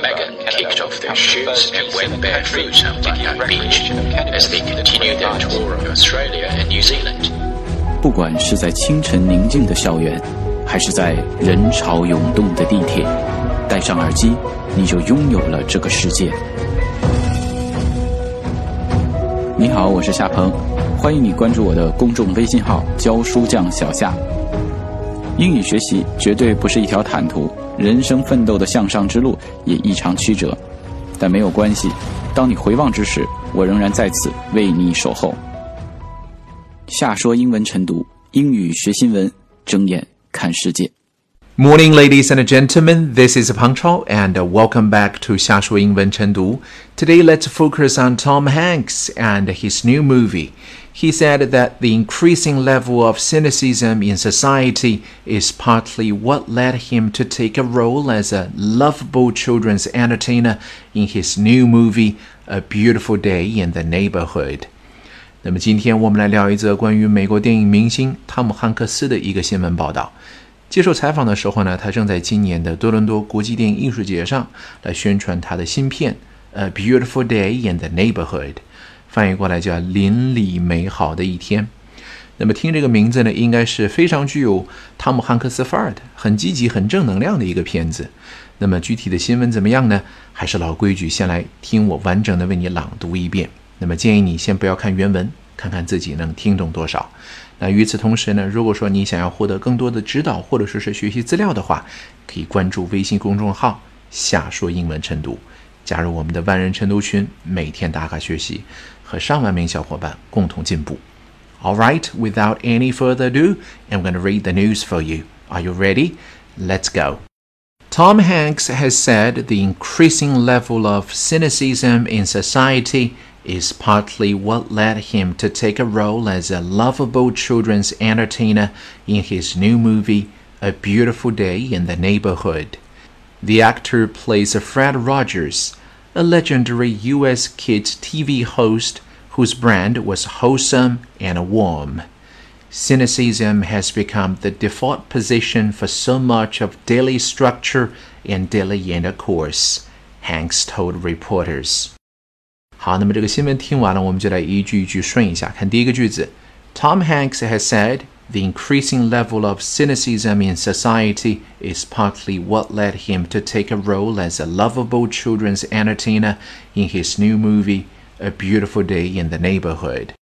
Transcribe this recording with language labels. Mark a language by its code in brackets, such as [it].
[en] Megan kicked off their shoes and went barefoot on Bondi Beach as they continued their tour of Australia and New Zealand. [zh] 不管是在清晨宁静的校园，还是在人潮涌动的地铁，戴上耳机，你就拥有了这个世界。你好，我是夏鹏，欢迎你关注我的公众微信号教书匠小夏。英语学习绝对不是一条坦途，人生奋斗的向上之路也异常曲折，但没有关系，当你回望之时，我仍然在此为你守候。夏说英文晨读，英语学新闻，睁眼看世界。 [en] Morning, ladies and gentlemen. This is Peng Chao, and welcome back to 夏说英文晨读. Today, let's focus on Tom Hanks and his new movie. He said that the increasing level of cynicism in society is partly what led him to take a role as a lovable children's entertainer in his new movie, A Beautiful Day in the Neighborhood. [zh] 那么今天我们来聊一则关于美国电影明星汤姆汉克斯的一个新闻报道。接受采访的时候呢，他正在今年的多伦多国际电影艺术节上来宣传他的新片 A Beautiful Day in the Neighborhood， 翻译过来叫邻里美好的一天。那么听这个名字呢，应该是非常具有汤姆汉克斯范儿的，很积极很正能量的一个片子。那么具体的新闻怎么样呢？还是老规矩，先来听我完整的为你朗读一遍。那么建议你先不要看原文，看看自己能听懂多少。那与此同时呢，如果说你想要获得更多的指导或者说是学习资料的话，可以关注微信公众号夏说英文晨读，加入我们的万人晨读群，每天打卡学习，和上万名小伙伴共同进步。 [en] Alright, without any further ado, I'm going to read the news for you. Are you ready? Let's go. Tom Hanks has said the increasing level of cynicism in societyis partly what led him to take a role as a lovable children's entertainer in his new movie, A Beautiful Day in the Neighborhood. The actor plays Fred Rogers, a legendary U.S. kids TV host whose brand was wholesome and warm. Cynicism has become the default position for so much of daily structure and daily intercourse, Hanks told reporters. [zh] 好，那么这个新闻听完了，我们就来一句一句顺一下。看第一个句子 [en] ，Tom Hanks has said the increasing level of cynicism in society is partly what led him to take a role as a lovable children's entertainer in his new movie, A Beautiful Day in the Neighborhood。